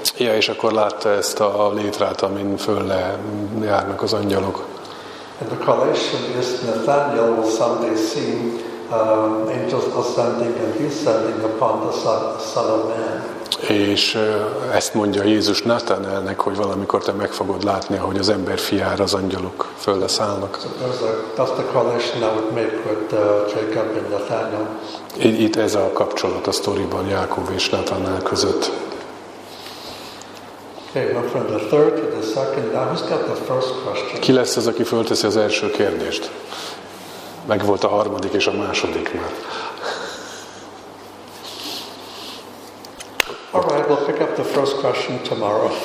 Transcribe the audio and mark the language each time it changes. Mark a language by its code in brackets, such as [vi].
[hu] Ja, és akkor látta ezt a létrát, amin fölle járnak az angyalok. [en] And the correlation is Nathanael will someday see angels ascending and descending upon the Son of Man. [hu] És ezt mondja Jézus Nátanaelnek, hogy valamikor te meg fogod látni, ahogy az ember fiára az angyalok fölle szállnak. [en] That's the correlation I would make with Jacob and Nathanael. [hu] Itt ez a kapcsolat a sztoriban Jákob és Nátanael között. [en] Okay, well, from the third to the second, now who's got the first question? [hu] Ki lesz az, aki fölteszi az első kérdést? meg volt a harmadik és a második már. [en] All right, we'll pick up the first question tomorrow.